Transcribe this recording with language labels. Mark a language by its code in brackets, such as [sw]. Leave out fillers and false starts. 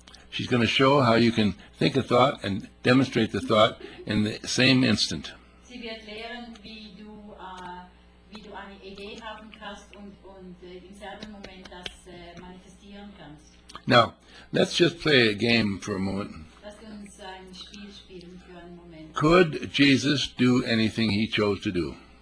[en] She's going to show how you can think a thought and demonstrate the thought in the same instant. [de] Sie wird lehren, wie du eine Idee haben kannst und im selben Moment das manifestieren kannst. [en] Now, let's just play a game for a moment. [de] Lass uns ein Spiel spielen für einen Moment. [en] Could Jesus do anything he chose to do?